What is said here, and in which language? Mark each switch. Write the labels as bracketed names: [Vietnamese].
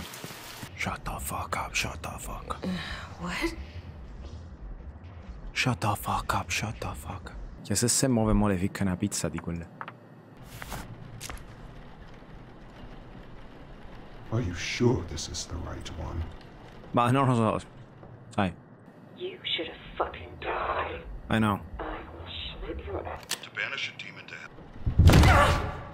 [English] Shut the fuck up, shut the fuck up. What? Shut the fuck up, shut the fuck up. [Italian] Che se si muove, mo le ficca una pizza di quelle. [English] Are you sure this is the right one? [Italian] Ma non lo so. Sai. [English] You should have fucking died. I know. I will slit your neck. To banish a demon to hell.